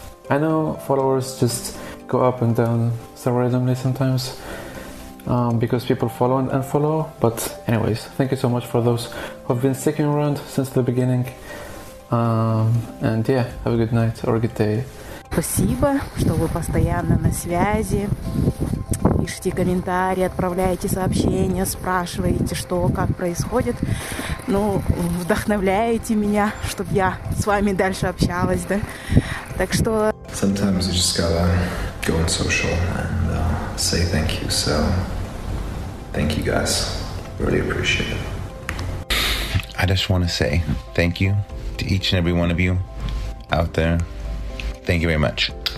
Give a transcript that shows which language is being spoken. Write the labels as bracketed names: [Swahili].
[English] I know followers just go up and down so randomly sometimes because people follow and unfollow, but anyways, thank you so much for those who have been sticking around since the beginning, and yeah, have a good night or a good day. [Russian] Спасибо, что вы постоянно на связи, пишите комментарии, отправляете сообщения, спрашиваете, что, как происходит, ну, вдохновляете меня, чтобы я с вами дальше общалась, да, так что... [English] Sometimes you just gotta go on social and say thank you. So, thank you guys. Really appreciate it. I just want to say thank you to each and every one of you out there. Thank you very much.